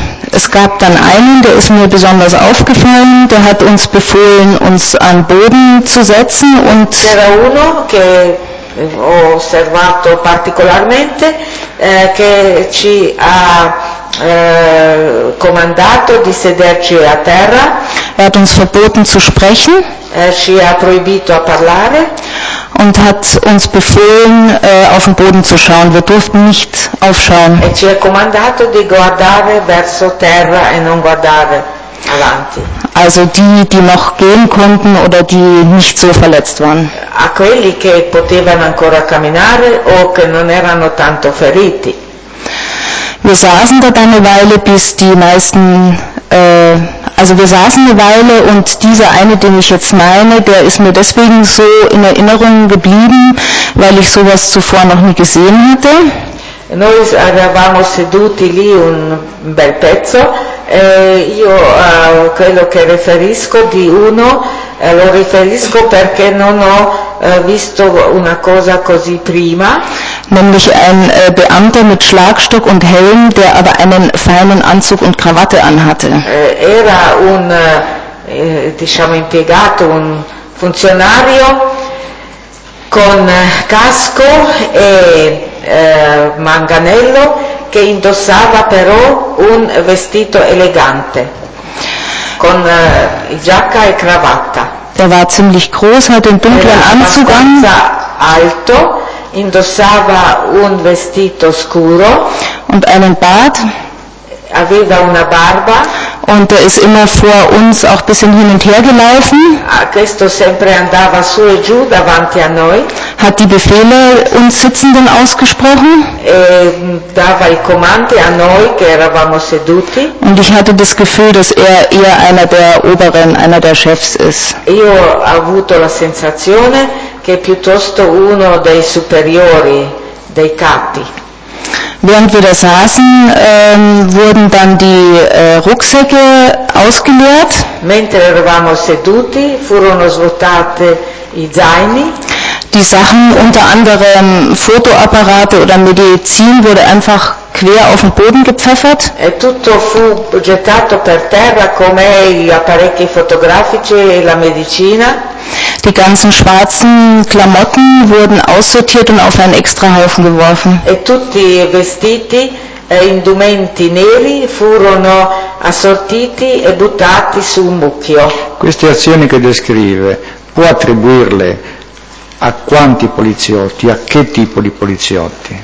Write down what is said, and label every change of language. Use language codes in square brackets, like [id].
[de] Es gab dann einen, der ist mir besonders aufgefallen, der hat uns befohlen, uns an Boden zu setzen und. [it] C'era uno che ho osservato particolarmente che ci ha comandato di sederci a terra. [de] Er hat uns verboten zu sprechen. [it] Ci ha proibito a parlare. [de] Und hat uns befohlen auf den Boden zu schauen. Wir durften nicht aufschauen. [it] E ci ha comandato di guardare verso terra e non guardare avanti. [de] Also die noch gehen konnten oder die nicht so verletzt waren. [it] A quelli che potevano ancora camminare o che non erano tanto feriti. [de] Wir saßen da eine Weile, bis die meisten, also wir saßen eine Weile und dieser eine, den ich jetzt meine, der ist mir deswegen so in Erinnerung geblieben, weil ich sowas zuvor noch nie gesehen hatte. [it] Noi eravamo seduti lì un bel pezzo. Io quello che riferisco di uno lo riferisco perché non ho visto una cosa così prima. [de] Nämlich ein Beamter mit Schlagstock und Helm, der aber einen feinen Anzug und Krawatte anhatte. [it] Era un diciamo impiegato, un funzionario con casco e manganello, che indossava però un vestito elegante con giacca e cravatta. [de] Er war ziemlich groß, hatte einen dunklen Anzug an. [it] Alto, indossava un vestito scuro [de] und einen Bart. [it] Aveva una barba. [de] Und er ist immer vor uns auch ein bisschen hin und her gelaufen. [it] Questo sempre andava su e giù davanti a noi. [de] Hat die Befehle uns Sitzenden ausgesprochen. [it] E dava i comandi a noi che eravamo seduti. [de] Und ich hatte das Gefühl, dass er eher einer der Oberen, einer der Chefs ist. [it] Io ho avuto la sensazione che piuttosto uno dei superiori, dei capi. [de] Während wir da saßen, wurden dann die Rucksäcke ausgeleert. [it] Mentre eravamo seduti, furono svuotate i zaini. [de] Die Sachen, unter anderem Fotoapparate oder Medizin, wurde einfach quer auf den Boden gepfeffert. [it] E tutto fu gettato per terra, come gli apparecchi fotografici e la medicina. [de] Die ganzen schwarzen Klamotten wurden aussortiert und auf einen extra Haufen geworfen. [it] E tutti i vestiti indumenti neri furono assortiti e buttati su un mucchio. Queste azioni che descrive, può attribuirle a quanti poliziotti, a che tipo di poliziotti?